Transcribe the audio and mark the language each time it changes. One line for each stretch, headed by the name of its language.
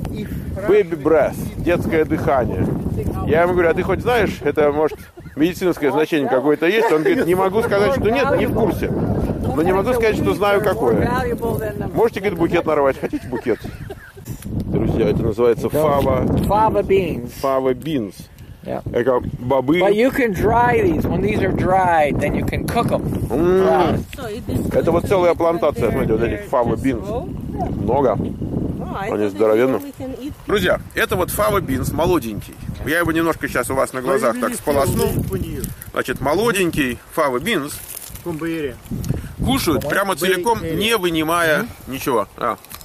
English: Baby breath,
Russian: детское дыхание. Я ему говорю, а ты хоть знаешь, это может медицинское значение какое-то есть? Он говорит, не могу сказать, что нет, не в курсе. Но не могу сказать, что знаю какое. Можете, говорит, букет нарвать? Хотите букет? Друзья, это называется фава.
English: Фава beans. Фава beans. Yeah.
Russian: Это бобы.
English: But you can dry these. When these are dry, then you can cook them.
Russian: Это вот целая плантация, смотрите, вот этих фава beans. Много. Они здоровенны. Друзья, это вот фава beans, молоденький. Я его немножко сейчас у вас на глазах так сполоснул. Значит, молоденький фава beans. Кушают прямо целиком, не вынимая ничего. А.